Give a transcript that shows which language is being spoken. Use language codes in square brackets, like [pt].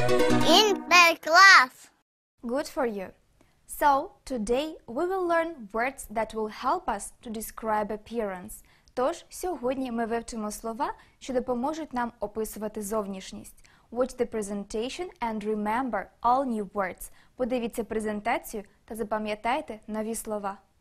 [en] Interclass. Good for you. So, today we will learn words that will help us to describe appearance. [uk] Тож, сьогодні ми вивчимо слова, що допоможуть нам описувати зовнішність. [en] Watch the presentation and remember all new words. [uk] Подивіться презентацію та запам'ятайте нові слова.